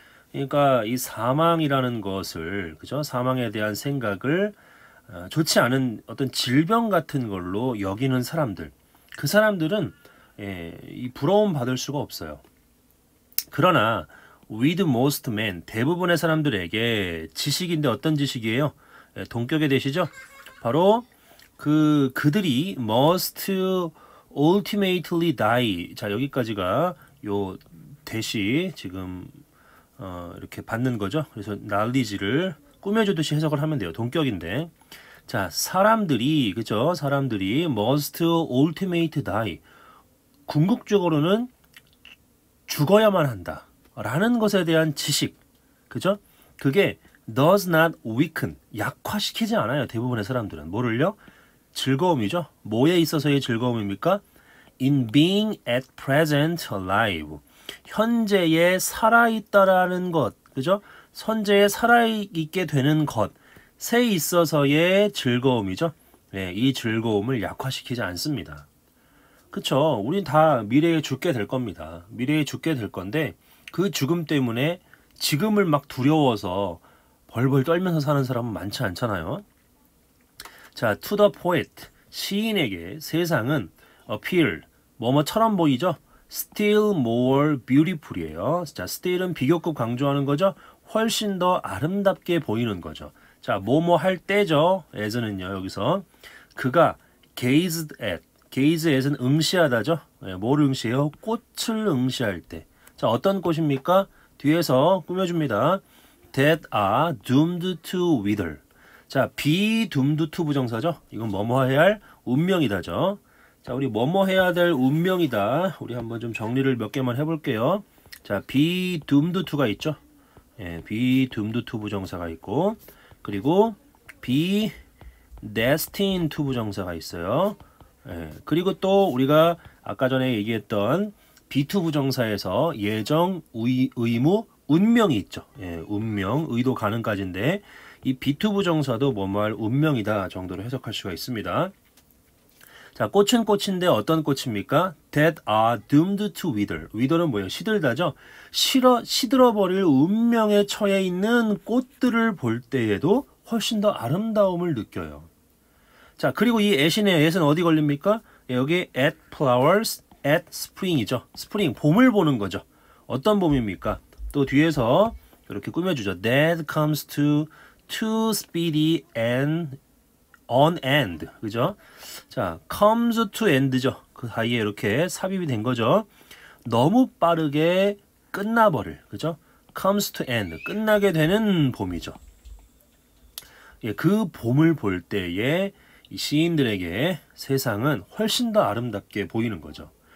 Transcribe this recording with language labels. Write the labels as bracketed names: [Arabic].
[Korean] 그러니까 이 사망이라는 것을 그죠? 사망에 대한 생각을 좋지 않은 어떤 질병 같은 걸로 여기는 사람들. 그 사람들은 예, 이 부러움 받을 수가 없어요. 그러나 [English] With most men, [Korean] 대부분의 사람들에게 지식인데 어떤 지식이에요? 동격에 되시죠? 바로 그들이 [English] must ultimately die. [Korean] 자, 여기까지가 요 대시 지금 이렇게 받는 거죠. 그래서 knowledge를 꾸며주듯이 해석을 하면 돼요. 동격인데. 자, 사람들이 그죠? 사람들이 [English] must ultimately die. [Korean] 궁극적으로는 죽어야만 한다. 라는 것에 대한 지식, 그죠? 그게 [English] does not weaken, [Korean] 약화시키지 않아요. 대부분의 사람들은 뭐를요? 즐거움이죠. 뭐에 있어서의 즐거움입니까? [English] In being at present alive, [Korean] 현재에 살아있다라는 것, 그죠? 현재에 살아있게 되는 것에 있어서의 즐거움이죠. 네, 이 즐거움을 약화시키지 않습니다. 그쵸? 우린 다 미래에 죽게 될 겁니다. 미래에 죽게 될 건데. 그 죽음 때문에 지금을 막 두려워서 벌벌 떨면서 사는 사람은 많지 않잖아요. 자, [English] to the poet, [Korean] 시인에게 세상은 appear, 뭐뭐처럼 보이죠? [English] Still more beautiful이에요. [Korean] 자, still은 비교급 강조하는 거죠? 훨씬 더 아름답게 보이는 거죠. 자, 뭐뭐 할 때죠? as는요, 여기서. 그가 [English] gazed at, gaze at [Korean] 은 응시하다죠? 네, 뭘 응시해요? 꽃을 응시할 때. 자, 어떤 꽃입니까? 뒤에서 꾸며줍니다. [English] That are doomed to wither. 자, be doomed to 부정사죠. [Korean] 이건 뭐뭐 해야 할 운명이다죠. 자, 우리 뭐뭐 해야 될 운명이다. 우리 한번 좀 정리를 몇 개만 해볼게요. 자, be doomed to가 있죠. 예, be doomed to 부정사가 있고, 그리고 be destined to 부정사가 있어요. 예, 그리고 또 우리가 아까 전에 얘기했던 비투 부정사에서 예정, 의무, 운명이 있죠. 예, 운명, 의도 가능까지인데 이 비투 부정사도 뭐뭐할 운명이다 정도로 해석할 수가 있습니다. 자, 꽃은 꽃인데 어떤 꽃입니까? [English] That are doomed to wither. [Korean] wither는 뭐예요? 시들다죠? 시들어버릴 운명에 처해 있는 꽃들을 볼 때에도 훨씬 더 아름다움을 느껴요. 자, 그리고 이 애신의 애는 어디 걸립니까? 여기 [English] at flowers. At spring이죠. [Korean] spring, 봄을 보는 거죠. 어떤 봄입니까? 또 뒤에서 이렇게 꾸며주죠. [English] That comes to too speedy and on end, [Korean] 그죠? 자, [English] comes to end죠. [Korean] 그 사이에 이렇게 삽입이 된 거죠. 너무 빠르게 끝나버릴, 그죠? [English] comes to end, [Korean] 끝나게 되는 봄이죠. 예, 그 봄을 볼 때에 이 시인들에게 세상은 훨씬 더 아름답게 보이는 거죠.